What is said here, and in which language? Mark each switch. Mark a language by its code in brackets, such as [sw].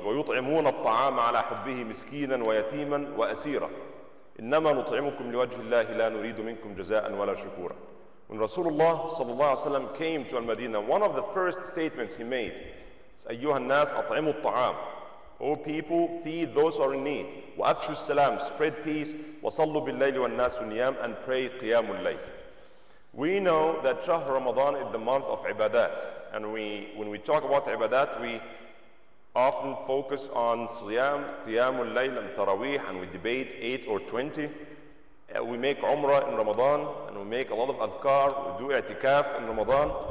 [ar] وَيُطْعِمُونَ الطَّعَامَ عَلَى حُبِّهِ مِسْكِينًا وَيَتِيمًا وَأَسِيرًا إِنَّمَا نُطْعِمُكُمْ لِوَجْهِ اللَّهِ لَا نُرِيدُ مِنْكُمْ جَزَاءً وَلَا شُكُورًا. [en] When Rasulullah sallallahu alayhi wa sallam came to Al-Madinah, one of the first statements he made is, [ar] أَيُّهَا النَّاسَ أَطْعِمُوا الطَّعَامَ. [en] O people, feed those who are in need. [ar] وَأَفْشُوا السَّلَامَ, [en] spread peace. [ar] وَصَلُّوا بِاللَّيْلِ وَالنَّاسُ نِيَامَ, [en] and pray [ar] قِيَامُ اللَّيْلِ. [en] We know that Shah Ramadan is the month of ibadat, and when we talk about ibadat, we often focus on siyam, qiyamul layl, and taraweeh, and we debate 8 or 20. We make umrah in Ramadan, and we make a lot of adhkar, we do i'tikaf in Ramadan.